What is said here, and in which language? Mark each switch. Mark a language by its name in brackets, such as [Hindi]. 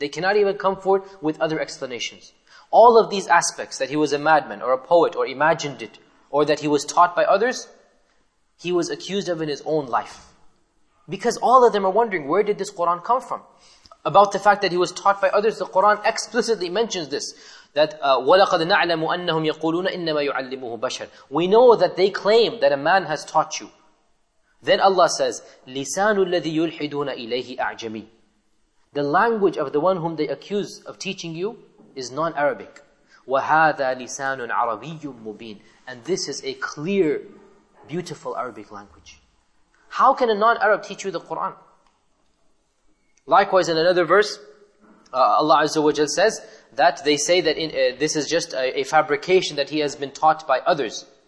[English] They cannot even come forward with other explanations. All of these aspects, that he was a madman, or a poet, or imagined it, or that he was taught by others, he was accused of in his own life. Because all of them are wondering, where did this Qur'an come from? About the fact that he was taught by others, the Qur'an explicitly mentions this, that [Arabic] وَلَقَدْ نَعْلَمُ أَنَّهُمْ يَقُولُونَ إِنَّمَا يُعَلِّمُهُ بَشَرٌ. [English] We know that they claim that a man has taught you. Then Allah says, [Arabic] لِسَانُ الَّذِي يُلْحِدُونَ إِلَيْهِ أَعْجَمِي. [English] The language of the one whom they accuse of teaching you is non-Arabic. [Arabic] وَهَذَا لِسَانٌ عَرَبِيٌّ مُبِينٌ. [English] And this is a clear, beautiful Arabic language. How can a non-Arab teach you the Qur'an? Likewise, in another verse, Allah Azza wa Jal says that they say that this is just a fabrication that he has been taught by others.